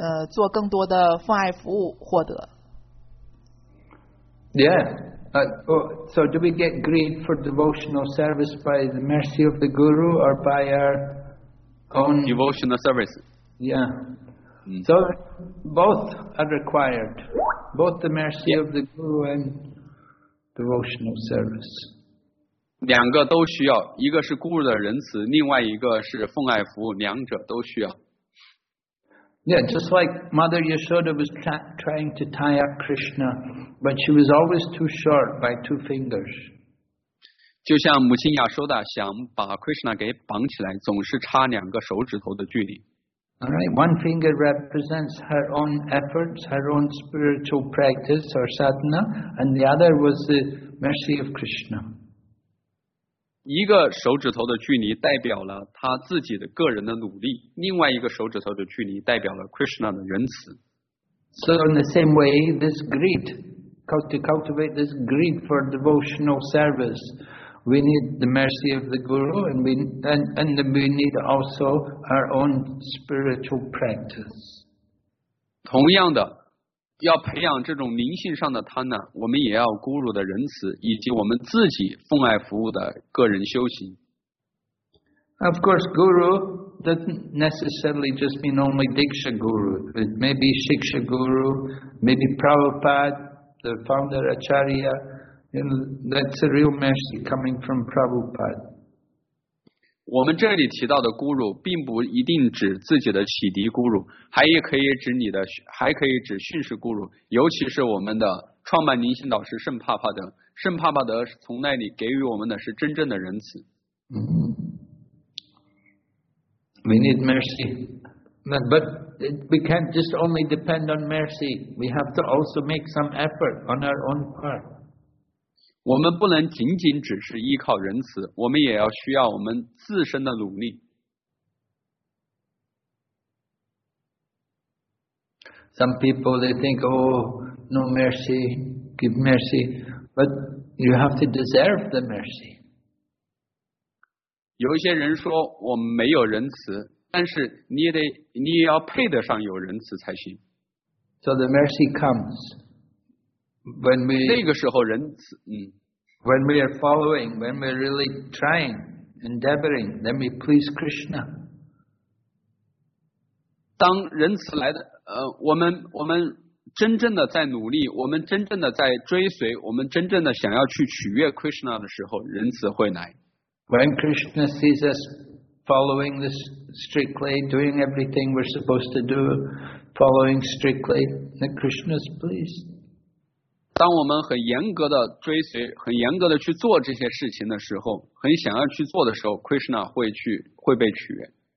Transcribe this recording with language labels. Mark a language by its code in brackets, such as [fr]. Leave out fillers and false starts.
[zh] 做更多的父爱服务获得。 [en] Yeah, so do we get greed for devotional service by the mercy of the guru or by our own devotional service? Yeah.、Mm. So both are required, both the mercy、yeah. of the guru and devotional service. [zh] 两个都需要，一个是 guru 的仁慈，另外一个是奉爱服务，两者都需要。 [en] Yeah, just like Mother Yashoda was trying to tie up Krishna, but she was always too short by two fingers. [zh] 就像母亲亚修达想把 Krishna 给绑起来，总是差两个手指头的距离。 [en] All right, one finger represents her own efforts, her own spiritual practice or sadhana, and the other was the mercy of Krishna. [zh] 一个手指头的距离代表了他自己的个人的努力，另外一个手指头的距离代表了 Krishna 的仁慈。 [en] So in the same way, this greed, to cultivate this greed for devotional service, we need the mercy of the Guru, and we need also our own spiritual practice. [zh] 同样的，要培养这种灵性上的贪婪，我们也要孤独的仁慈，以及我们自己奉爱服务的个人修行。 [en] Of course, guru doesn't necessarily just mean only Diksha guru. It may be Shiksha guru, maybe Prabhupada, the founder Acharya. That's a real mercy coming from Prabhupada. [zh] 我们这里提到的guru并不一定指自己的启迪guru，还可以指训示guru，尤其是我们的创办灵性导师圣帕帕德。圣帕帕德从那里给予我们的是真正的仁慈。 [en] Mm-hmm. We need mercy. But we can't just only depend on mercy. We have to also make some effort on our own part. [zh] 我们不能仅仅只是依靠仁慈，我们也要需要我们自身的努力。 [en] Some people they think, oh, no mercy, give mercy, but you have to deserve the mercy. [zh] 有一些人说我没有仁慈，但是你也要配得上有仁慈才行。 [en] So the mercy comes when we [zh] 这个时候仁慈， [en] When we are following, when we are really trying, endeavoring, then we please Krishna. [zh] 当仁慈来的，我们真正的在努力，我们真正的在追随，我们真正的想要去取悦 Krishna 的时候，仁慈会来。 [en] When Krishna sees us following this strictly, doing everything we're supposed to do, following strictly, then Krishna is pleased. [zh] 当我们很严格的追随，很严格的去做这些事情的时候，很想要去做的时候， Krishna 会被取悦。